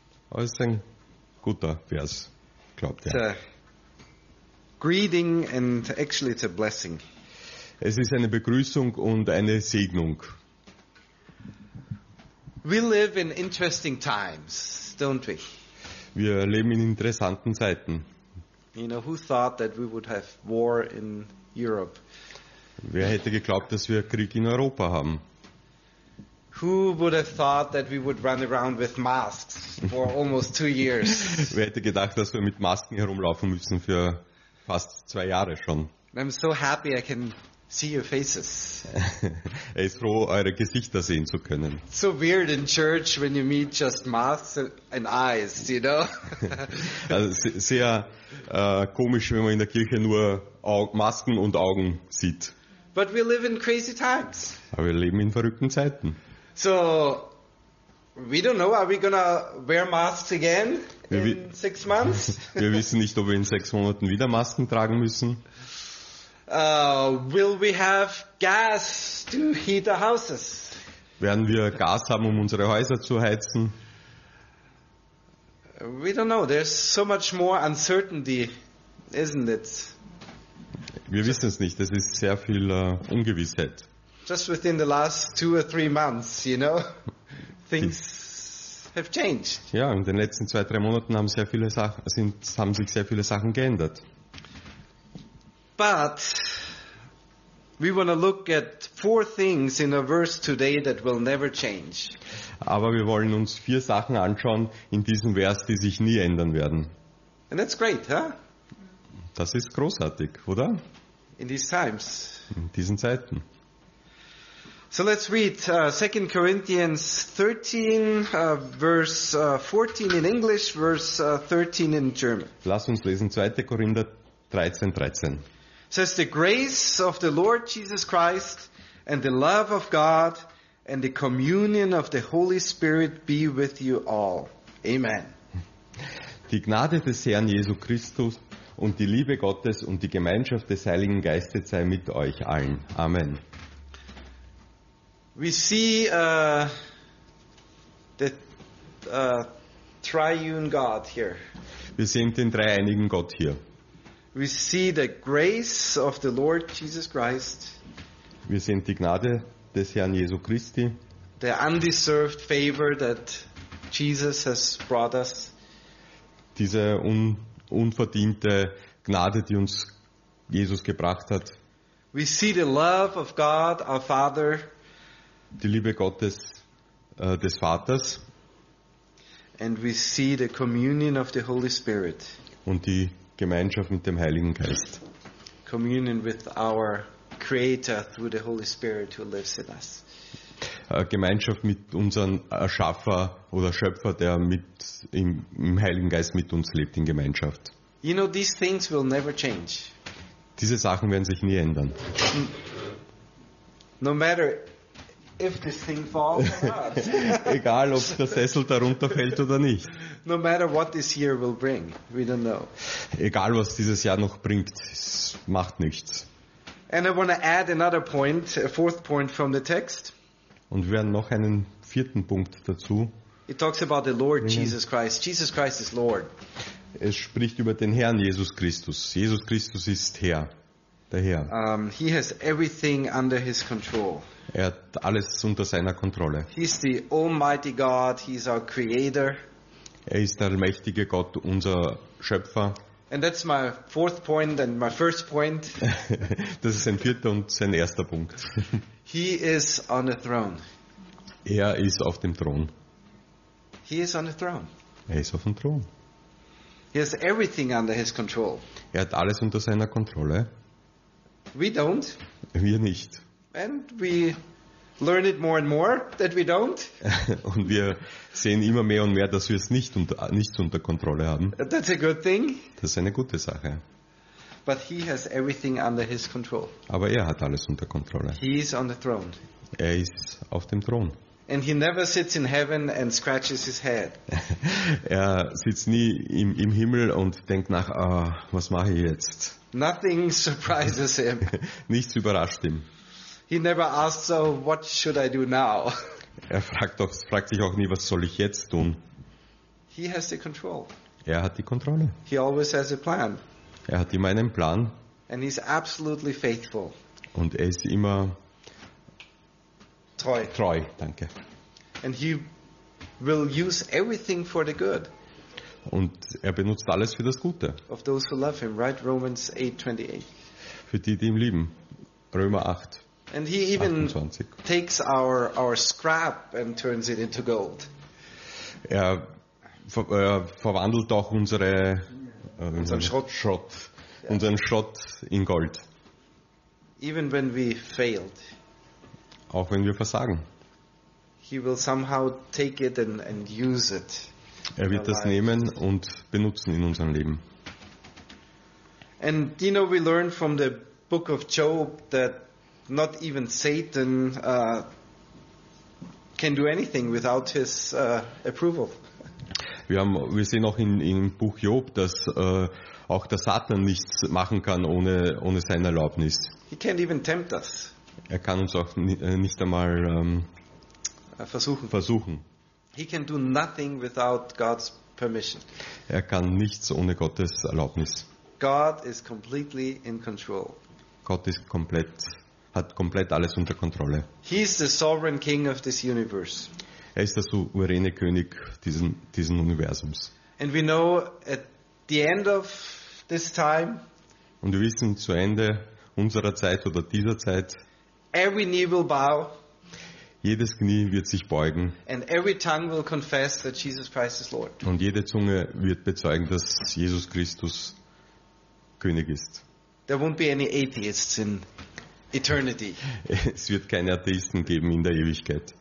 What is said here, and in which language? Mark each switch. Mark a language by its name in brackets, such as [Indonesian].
[German] Aber es ist ein guter Vers, glaubt ihr. [English] It's a greeting and actually it's a blessing. [German] Es ist eine Begrüßung und eine Segnung. [English] We live in interesting times, don't we? [German] Wir leben in interessanten Zeiten. [English] You know, who thought that we would have war in Europe? [German] Wer hätte geglaubt, dass wir Krieg in Europa haben? [English] Who would have thought that we would run around with masks for almost 2 years? [German] Wer hätte gedacht, dass wir mit Masken herumlaufen müssen für fast 2 Jahre schon? [English] I'm so happy I can see your faces. [German] Er ist froh, eure Gesichter sehen zu können. [English] It's so weird in church when you meet just masks and eyes, you know? [German] Also sehr komisch, wenn man in der Kirche nur Masken und Augen sieht. [English] But we live in crazy times. [German] Aber wir leben in verrückten Zeiten. [English] So, we don't know, are we gonna wear masks again in 6 months? [German] Wir wissen nicht, ob wir in 6 Monaten wieder Masken tragen müssen. [English] Will we have gas to heat our houses? [German] Werden wir Gas haben, um unsere Häuser zu heizen? [English] We don't know, there's so much more uncertainty, isn't it? [German] Wir wissen es nicht, es ist sehr viel Ungewissheit. [English] Just within the last 2 or 3 months, you know, things have changed. [German] Ja, in den letzten 2, 3 Monaten haben sich sehr viele Sachen geändert. [English] But we want to look at 4 things in a verse today that will never change. [German] Aber wir wollen uns 4 Sachen anschauen in diesem Vers, die sich nie ändern werden. [English] And that's great, huh? [German] Das ist großartig, oder? [English] In these times. [German] In diesen Zeiten. [English] So let's read 2 Corinthians 13, verse 14 in English, verse 13 in German. [German] Lass uns lesen, 2. Korinther 13, 13. [English] It says, the grace of the Lord Jesus Christ and the love of God and the communion of the Holy Spirit be with you all. Amen. [German] Die Gnade des Herrn Jesu Christus und die Liebe Gottes und die Gemeinschaft des Heiligen Geistes sei mit euch allen. Amen. [English] We see the triune God here. [German] Wir sehen den dreieinigen Gott hier. [English] We see the grace of the Lord Jesus Christ. [German] Wir sehen die Gnade des Herrn Jesu Christi. [English] The undeserved favor that Jesus has brought us. [German] Diese unverdiente Gnade, die uns Jesus gebracht hat. [English] We see the love of God, our Father. [German] Die Liebe Gottes des Vaters. [English] And we see the communion of the Holy Spirit. [German] Und die Gemeinschaft mit dem Heiligen Geist. [English] Communion with our Creator through the Holy Spirit who lives in us. [German] Gemeinschaft mit unserem Erschaffer oder Schöpfer, der im Heiligen Geist mit uns lebt in Gemeinschaft. [English] You know, these things will never change. [German] Diese Sachen werden sich nie ändern. [English] No matter if this thing falls or not. [German] Egal, ob der Sessel darunter fällt oder nicht. [English] No matter what this year will bring, we don't know. [German] Egal, was dieses Jahr noch bringt, es macht nichts. [English] And I want to add another point, a 4th point from the text. [German] Und wir werden noch einen 4. Punkt dazu. [English] It talks about the Lord Jesus Christ. Jesus Christ is Lord. [German] Es spricht über den Herrn Jesus Christus. Jesus Christus ist Herr, der Herr. [English] He has everything under his control. [German] Er hat alles unter seiner Kontrolle. [English] He is the Almighty God. He is our Creator. [German] Er ist der allmächtige Gott, unser Schöpfer. [English] And that's my 4th point and my 1st point. [German] Das ist sein 4. und sein 1. Punkt. [English] He is on the throne. [German] Er ist auf dem Thron. [English] He is on the throne. [German] Er ist auf dem Thron. [English] He has everything under his control. [German] Er hat alles unter seiner Kontrolle. [English] We don't. [German] Wir nicht. [English] And we learn it more and more that we don't. [German] Und wir sehen immer mehr und mehr, dass wir es nicht unter Kontrolle haben. [English] That's a good thing. [German] Das ist eine gute Sache. [English] But he has everything under his control. [German] Aber er hat alles unter Kontrolle. [English] He is on the throne. [German] Er ist auf dem Thron. [English] And he never sits in heaven and scratches his head. [German] Er sitzt nie im Himmel und denkt nach, oh, was mache ich jetzt? [English] Nothing surprises him. [German] Nichts überrascht ihn. [English] He never asks, so what should I do now? [German] Er fragt sich auch nie, was soll ich jetzt tun? [English] He has the control. [German] Er hat die Kontrolle. [English] He always has a plan. [German] Er hat immer einen Plan. [English] And he's absolutely faithful. [German] Und er ist immer treu. Treu, danke. [English] And he will use everything for the good. [German] Und er benutzt alles für das Gute. [English] Of those who love him, right? Romans 8:28. [German] Für die, die ihn lieben. Römer 8. [English] And he even 28. Takes our scrap and turns it into gold. [German] Er verwandelt auch unseren Schrott in Gold. [English] Even when we failed. [German] Auch wenn wir versagen. [English] He will somehow take it and use it. [German] Er wird das nehmen und benutzen in unserem Leben. [English] And you know, we learn from the book of Job that not even Satan can do anything without his approval. [German] Wir sehen auch im Buch Job, dass auch der Satan nichts machen kann ohne seine Erlaubnis. [English] He can't even tempt us. [German] Er kann uns auch nicht einmal versuchen. [English] He can do nothing without God's permission. [German] Er kann nichts ohne Gottes Erlaubnis. [English] God is completely in control. [German] Gott ist komplett. Hat komplett alles unter Kontrolle. [English] He is the sovereign king of this universe. [German] Er ist der souveräne König diesen Universums. [English] And we know at the end of this time. [German] Und wir wissen zu Ende unserer Zeit oder dieser Zeit. [English] Every knee will bow. [German] Jedes Knie wird sich beugen. [English] And every tongue will confess that Jesus Christ is Lord. [German] Und jede Zunge wird bezeugen, dass Jesus Christus König ist. [English] There won't be any atheists in eternity. [German] Es wird keine Atheisten geben in der Ewigkeit.